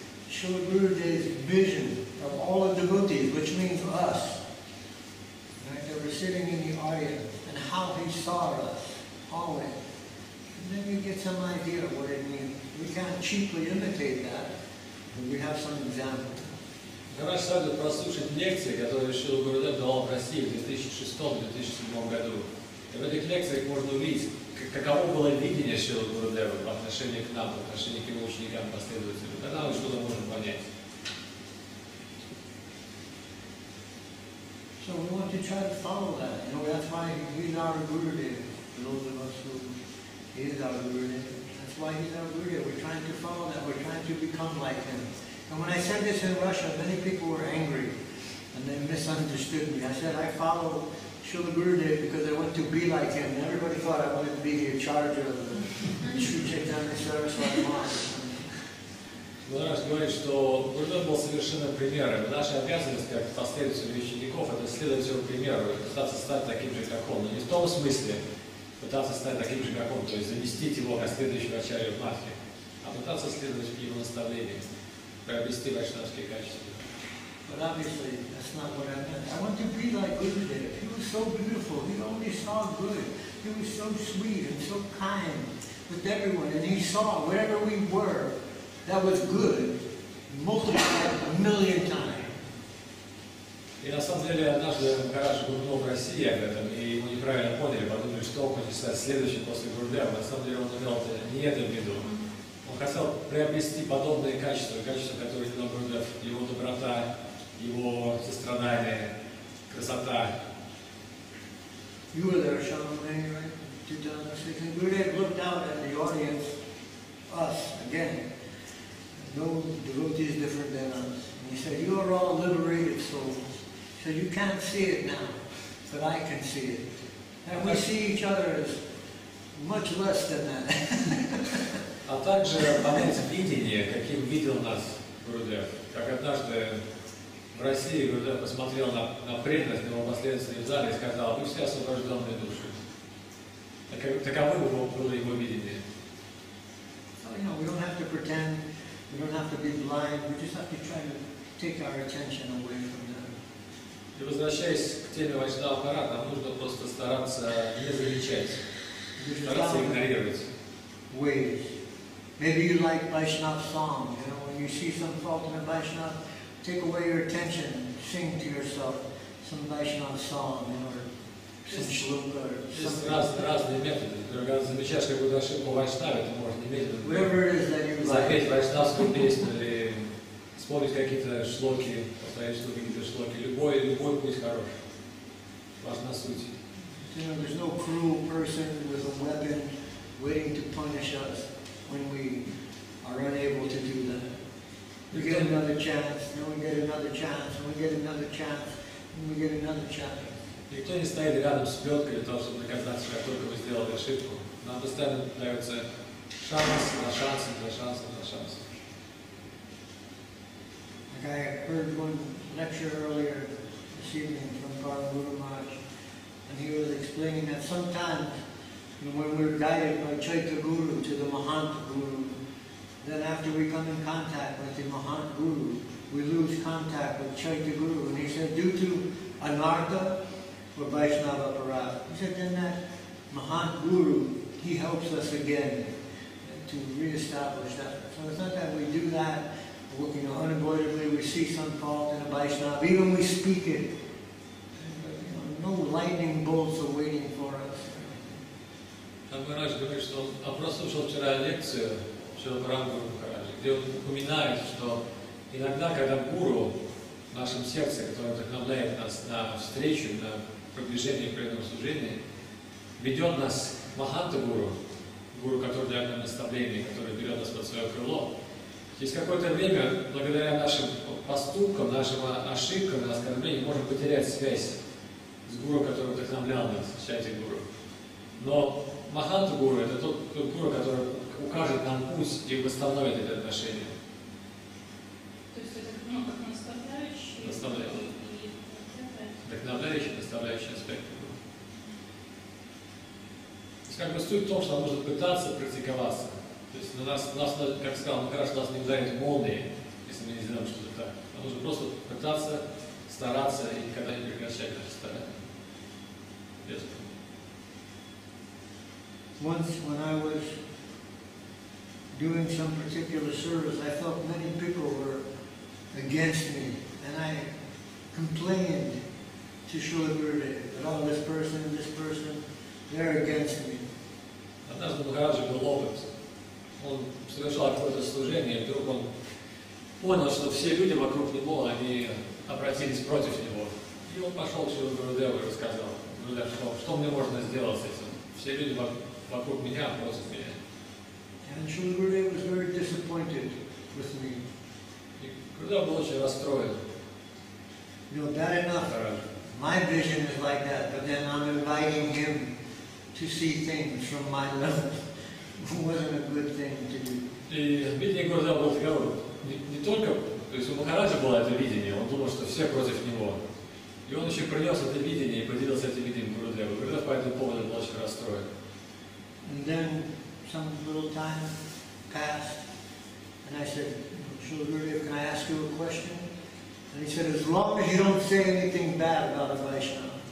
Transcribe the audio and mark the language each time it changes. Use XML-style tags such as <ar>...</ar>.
<en>Srila Gurudev's vision of all the devotees, which means us, and they were sitting in the audience, and how he saw us, always. And then you get some idea of what it means. We can't cheaply imitate that, but we have some examples.</en> <ru>Хорошо, сразу прослушать лекции, которые Шрила Гурудев давал в России в 2006-2007 году. И в этих лекциях можно увидеть, каково было видение Шрила Гурудева по отношению к нам, по отношению к его ученикам, последователям. Тогда мы что-то можем понять.</ru> <en>So we want to try to follow that. You know, that's why he's our Gurudev. Those of us who he's our Gurudev. That's why he's our Gurudev. We're trying to follow that. We're trying to become like him. And when I said this in Russia, many people were angry and they misunderstood me. I said, I follow Srila Gurudev because I want to be like him. And everybody thought I wanted to be the charge of the Sri Chaitanya service like mine.</en> <ru>Махарадж говорит, что Гурудев был совершенным примером. Наша обязанность, как последователей учеников, это следовать его примеру и пытаться стать таким же, как он. Но не в том смысле пытаться стать таким же, как он, то есть заместить его как следующего ачарья в Махе, а пытаться следовать его наставлениям, приобрести вайшнавские качества.</ru> <en>But obviously, that's not what I meant. I want to be like Gurudev. He was so beautiful. He only saw good. He was so sweet and so kind with everyone. And he saw wherever we were. That was good, multiplied a million times.</en> <ru>И на самом деле однажды Махарадж Гурудев в России об этом, и ему неправильно поняли, подумали, что он хочет стать следующим после Гурудева. На самом деле он имел это не это в виду. Он хотел приобрести подобные качества, качества, которые имел Гурудев, его доброта, его сострадание, красота.</ru> <en>You were there, Шаран, right? Gurudev looked out at the audience, us again. No devotee is different than us. And he said, you are all liberated souls. He said, you can't see it now, but I can see it. And we see each other as much less than that.</en> <ru>А также понять видение, каким видел нас Гурудев. Как однажды в России Гурудев посмотрел на преданность его последователей в зале и сказал, вы все освобожденные души. Таковы было его видение.</ru> <en>So, you know, we don't have to pretend. We don't have to be blind, we just have to try to take our attention away from them.</en> <ru>И возвращаясь к теме вайшнава парад, нам нужно просто стараться не замечать, стараться игнорировать.</ru> <en>Ways. Maybe you like Vaishnav song, you know, when you see some fault in a Vaishnav, take away your attention, sing to yourself some Vaishnav song, you know.</en> <ru>Разные методы. Например, замечаешь какую-то ошибку вайшнаве, ты можешь немедленно запеть вайшнавскую песню или вспомнить какие-то шлоки, повторить какие-то шлоки. Любой путь хорош. Важна суть.</ru> <en>You know, there's no cruel person with a weapon waiting to punish us when we are unable to do that. We get another chance, then we get another chance, and we get another chance, and we get another chance.</en> <ru>Никто не стоит рядом с плеткой для того, чтобы наказать себя, только мы сделали ошибку. Нам постоянно дается шанс на шанс, на шанс, на шанс.</ru> <en>Like I heard one lecture earlier this evening from Father Guru Maharaj, and he was explaining that sometimes when we're guided by Chaitanya Guru to the Mahant Guru, then after we come in contact with the Mahant Guru, we lose contact with Chaitanya Guru. And he said, due to anartha, for Vaishnava Parat. He said, then that Mahant Guru, he helps us again to re-establish that. So it's not that we do that, you know, unavoidably we see some fault in a Vaishnava, even we speak it. You know, no lightning bolts are waiting for us.</en> <ru>Махарадж говорит, что он прослушал вчера лекцию Шрила Парама Гуру Махараджа, где он упоминает, что иногда, когда Гуру в нашем сердце, который вдохновляет нас на встречу, на продвижение при этом служении, ведет нас к Махантагуру, гуру, который дает нам наставление, который берет нас под свое крыло. Через какое-то время, благодаря нашим поступкам, нашим ошибкам и оскорблениям, мы можем потерять связь с гуру, который вдохновлял нас, чайте гуру. Но Махантагуру – это тот гуру, который укажет нам путь и восстановит эти отношения. То есть это как наставляющий? Наставляющий. Вдохновляющий, наставляющий аспект. То есть как бы суть в том, что нужно пытаться практиковаться. То есть на нас, как сказал Махарадж, нас не ударит молнии, и если мы не знаем, что это так. Нам нужно просто пытаться, стараться и никогда не прекращать наше старание.</ru> <en>Once when I was doing some particular service, I felt many people were against me, and I complained to Шрила Гурудева that all this person, they're against me.</en> <ru>Однажды Махараджа был опыт. Он совершал какое-то служение, и вдруг он понял, что все люди вокруг него, они обратились против него. И он пошел к Шрила Гурудеву и рассказал, что мне можно сделать с этим. Все люди вокруг меня, против меня.</ru> <en>And Shrila Gurudeva was very disappointed with me.</en> <ru>И Гурудева был очень расстроен.</ru> <en>You know, bad enough, my vision is like that, but then I'm inviting him to see things from my level. It wasn't a good thing to do.</en> <ru>И видение Гурудева было таковым. Не только, то есть у Махараджа было это видение, он думал, что все против него. И он еще принес это видение и поделился этим видением Гурудева. Гурудев по этому поводу был очень расстроен.</ru> <en>And then some little time passed, and I said, Shrila Gurudev, can I ask you a question? And he said, as long as you don't say anything bad about a Vaishnava.</en>